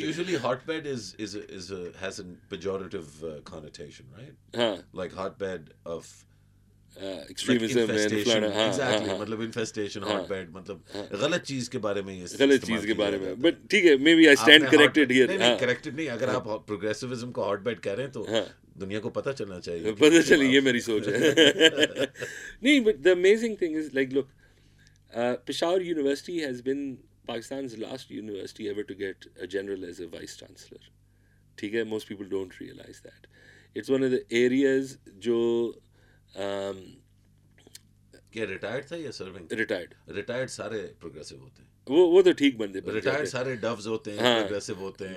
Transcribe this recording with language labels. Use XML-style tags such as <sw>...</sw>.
<en>Usually, hotbed has a pejorative connotation, right? Like hotbed of extremism, like infestation. Infestation, hotbed.</en> <ur>Galat cheez ke baare mein is. Galat cheez ke baare mein.</ur> <en>But</en> <ur>theek hai,</ur> <en>maybe I stand corrected here.</en> <ur>نہیں، corrected نہیں۔ اگر آپ progressivism کو hotbed کہہ رہے ہیں، تو دنیا کو پتا چلنا چاہیے۔ Pata chale, ye meri soch hai. Nahi,</ur> <en>but the amazing thing is, like, look. Peshawar University has been Pakistan's last university ever to get a general as a vice chancellor. Okay, most people don't realize that. It's one of the areas jo</en> <ur>retired تھا یا serving?</ur> <en>Retired.</en> <ur>Retired سارے progressive ہوتے ہیں۔ Wo to theek bande hain. Retired سارے doves ہوتے ہیں، progressive ہوتے ہیں۔</ur>